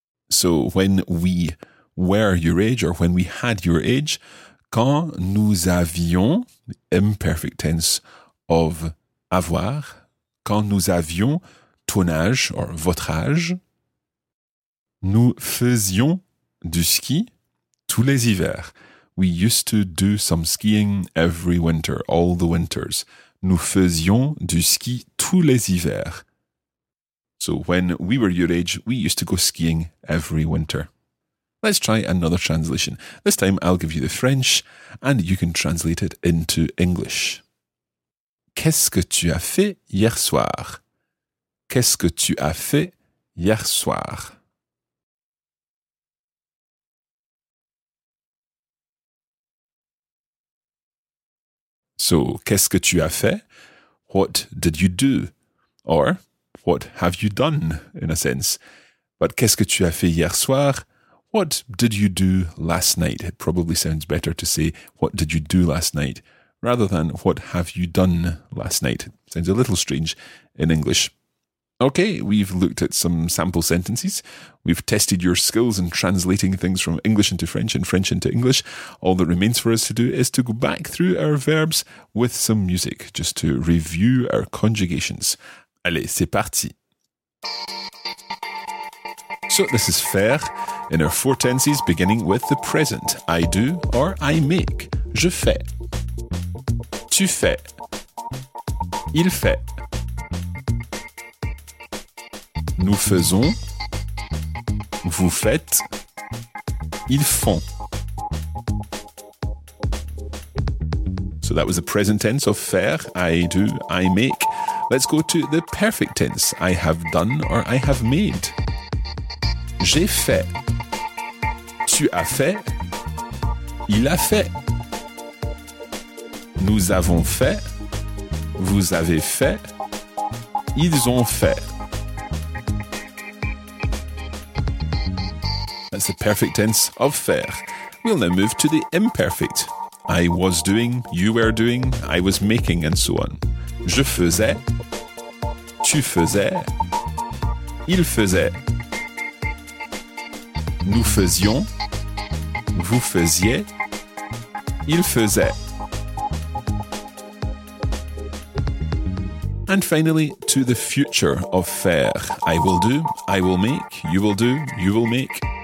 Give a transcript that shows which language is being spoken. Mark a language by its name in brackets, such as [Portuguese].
[English] So when we were your age [French] or when we had your age, quand nous avions, [English] imperfect tense of avoir, [French] quand nous avions ton âge or votre âge, nous faisions du ski tous les hivers. [English] We used to do some skiing every winter, all the winters. [French] Nous faisions du ski tous les hivers. [English] So when we were your age, we used to go skiing every winter. Let's try another translation. This time I'll give you the French and you can translate it into English. [French] Qu'est-ce que tu as fait hier soir? Qu'est-ce que tu as fait hier soir? So, qu'est-ce que tu as fait? [English] What did you do? Or, what have you done, in a sense? [French] But qu'est-ce que tu as fait hier soir? [English] What did you do last night? It probably sounds better to say, what did you do last night? Rather than, what have you done last night? Sounds a little strange in English. Okay, we've looked at some sample sentences. We've tested your skills in translating things from English into French and French into English. All that remains for us to do is to go back through our verbs with some music, just to review our conjugations. [French] Allez, c'est parti! [English] So this is faire in our four tenses, beginning with the present. I do or I make. [French] Je fais. Tu fais. Il fait. Nous faisons, vous faites, ils font. [English] So that was the present tense of faire, I do, I make. Let's go to the perfect tense, I have done or I have made. [French] J'ai fait, tu as fait, il a fait. Nous avons fait, vous avez fait, ils ont fait. [English] That's the perfect tense of faire. We'll now move to the imperfect. I was doing, you were doing, I was making, and so on. [French] Je faisais, tu faisais, il faisait. Nous faisions, vous faisiez, il faisait. [English] And finally, to the future of faire. I will do, I will make, you will do, you will make.